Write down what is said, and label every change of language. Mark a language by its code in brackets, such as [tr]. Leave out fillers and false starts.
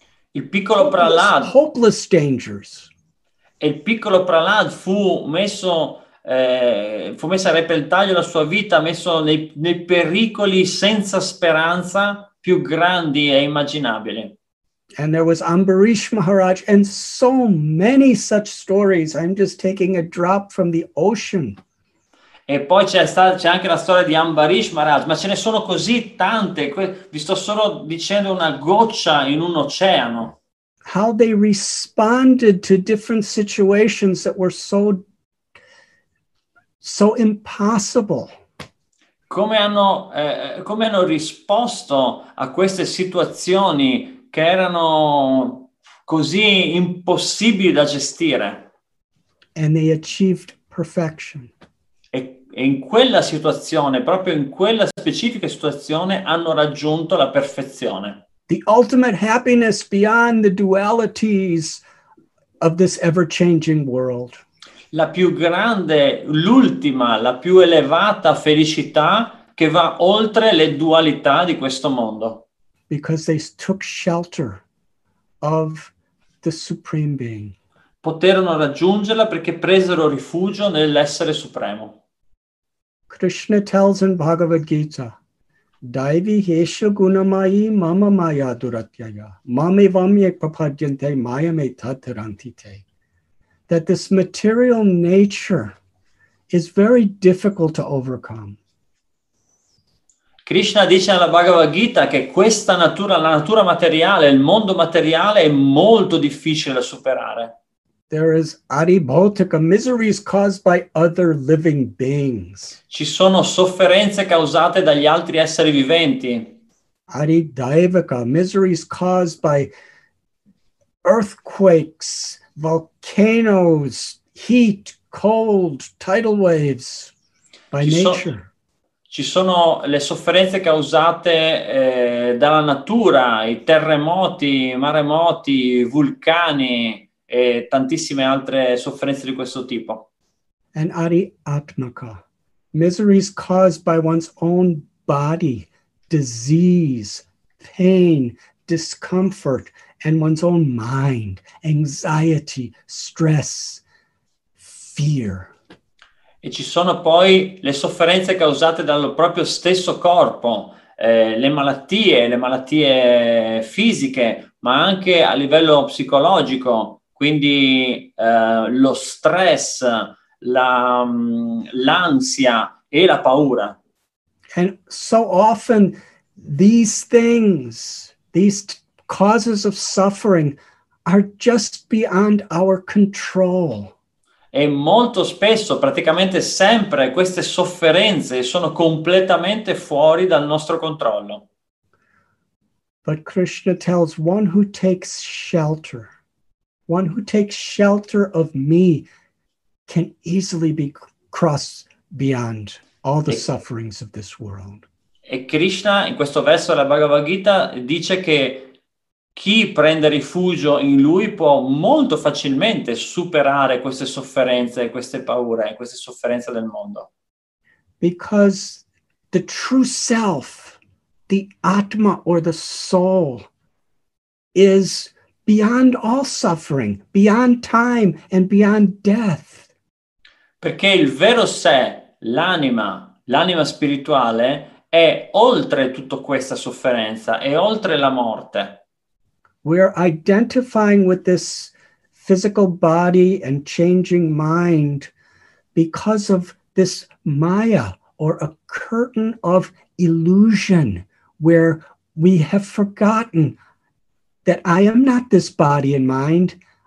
[it] Il piccolo Prahlad, [en] hopeless dangers. [it] Il piccolo Prahlad fu messo a repentaglio la sua vita, messo nei pericoli senza speranza più grandi e immaginabili. [en] And there was Ambarish Maharaj and so many such stories. I'm just taking a drop from the ocean. [it] E poi c'è anche la storia di Ambarish Maharaj, ma ce ne sono così tante. Vi sto solo dicendo una goccia in un oceano. [en] How they responded to different situations that were so impossible. [it] Come hanno risposto a queste situazioni che erano così impossibili da gestire. [en] And they achieved perfection. [it] E in quella situazione, proprio in quella specifica situazione, hanno raggiunto la perfezione. [en] The ultimate happiness beyond the dualities of this ever-changing world. [it] La più grande, l'ultima, la più elevata felicità che va oltre le dualità di questo mondo. [en] Because they took shelter of the Supreme Being. [it] Poterono raggiungerla perché presero rifugio nell'essere supremo. [en] Krishna tells in Bhagavad Gita, [sa] Daivi hesha gunamayi mama maya duratyaya, mame vamye papadyante maya me tatarantite. [en] That this material nature is very difficult to overcome. [it] Krishna dice alla Bhagavad Gita che questa natura, la natura materiale, il mondo materiale è molto difficile da superare. [en] There is adibhautika, miseries caused by other living beings. [it] Ci sono sofferenze causate dagli altri esseri viventi. [en] Adidaivika, miseries caused by earthquakes, volcanoes, heat, cold, tidal waves, by nature. [it] Ci sono le sofferenze causate dalla natura, i terremoti, i maremoti, i vulcani e tantissime altre sofferenze di questo tipo. [en] And adi-atmaka, miseries caused by one's own body, disease, pain, discomfort, and one's own mind, anxiety, stress, fear. [it] E ci sono poi le sofferenze causate dal proprio stesso corpo, le malattie fisiche, ma anche a livello psicologico, quindi lo stress, l'ansia e la paura. [en] And so often these things, these causes of suffering are just beyond our control. [it] E molto spesso, praticamente sempre, queste sofferenze sono completamente fuori dal nostro controllo. [en] But Krishna tells one who takes shelter of me can easily be crossed beyond all the sufferings of this world. [it] E Krishna, in questo verso della Bhagavad Gita, dice che chi prende rifugio in lui può molto facilmente superare queste sofferenze, queste paure, queste sofferenze del mondo. [en] Because the true self, the Atma or the soul, is beyond all suffering, beyond time and beyond death. [it] Perché il vero sé, l'anima spirituale, è oltre tutta questa sofferenza, è oltre la morte. [en] We are identifying with this physical body and changing mind because of this maya, or a curtain of illusion, where we have forgotten that I am not this body and mind.